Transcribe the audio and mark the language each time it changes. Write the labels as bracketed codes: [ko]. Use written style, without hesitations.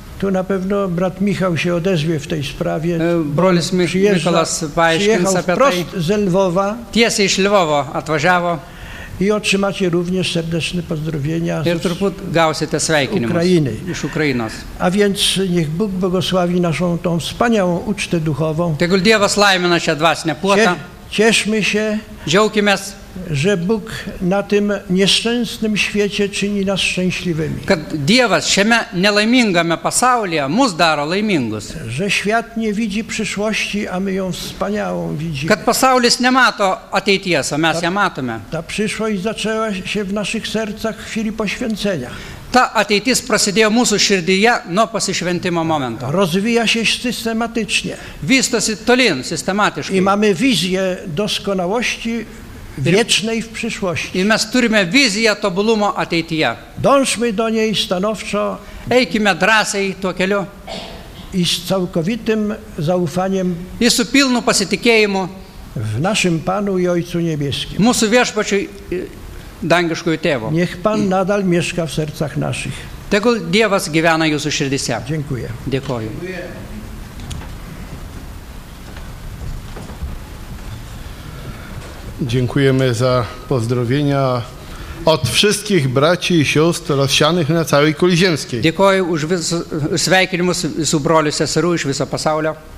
[pl] Tu na pewno brat Michał się odezwie w tej sprawie. [lt] Brolis Mikolas paaiškins apie tai. [pl] Ze Lwowa. [lt] Tiesiai iš Lwowo atvažiavo. [pl] I otrzymacie również serdeczne pozdrowienia [lt] ir truput gausite sveikinimus [pl] Ukrainy. [lt] Iš Ukrainos. [pl] A więc niech Bóg błogosławi naszą tą wspaniałą ucztę duchową. [lt] Tegul Dievas laimina šią dvasinę puotą. [pl] Cieszmy się. [lt] Džiaukimės. [pl] że Bóg na tym nieszczęsnym świecie czyni nas szczęśliwymi. [lt] Kad Dievas šiame nelaimingame pasaulyje mus daro laimingus. [pl] Że świat nie widzi przyszłości, a my ją wspaniałą widzimy. [lt] Kad pasaulis nemato ateities, o mes ją matome. [pl] Ta przyszłość zaczęła się w naszych sercach w chwili poświęcenia. [lt] Ta ateitis prasidėjo mūsų širdyje nuo pasišventimo momento. [pl] Rozvija się systematycznie. [lt] Vystosi tolyn, sistematiškai. [pl] I mamy wizję doskonałości wiecznej w przyszłości. [lt] I mes turime viziją tobulumo ateityje. [pl] Dążmy do niej stanowczo. [lt] Eikime drąsiai tuo keliu. [pl] I z całkowitym zaufaniem. [lt] I su pilnu pasitikėjimu. [pl] W naszym Panu i Ojcu Niebieskim. [lt] Mūsų viešpačiui dangiškojo tėvo. [pl] Niech Pan nadal mieszka w sercach naszych. [lt] Tegul Dievas gyvena jūsų širdyse. [pl] Dziękuję. [lt] Dėkoju. [pl] Dziękujemy za pozdrowienia od wszystkich braci i sióstr rozsianych na całej kuli ziemskiej. Dziękuję [lt] už sveikinimus su broliu seserų iš viso pasaulio.